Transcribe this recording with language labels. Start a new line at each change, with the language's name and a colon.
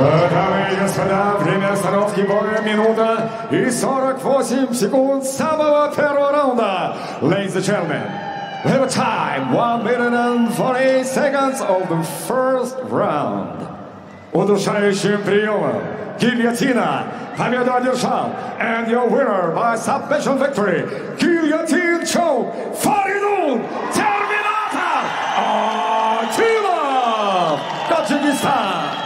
Russian: Дамы и господа, время остановки боя — минута и 48 секунд самого первого раунда.
English: Ladies and gentlemen, we have a time, 1 minute and 48 seconds of the first round.
Russian: Удушающим приемом гильотина победу одержал,
English: and your winner by submission victory, Guillotine Choke,
Russian: Фаридун Терминатор Акилов, Таджикистан.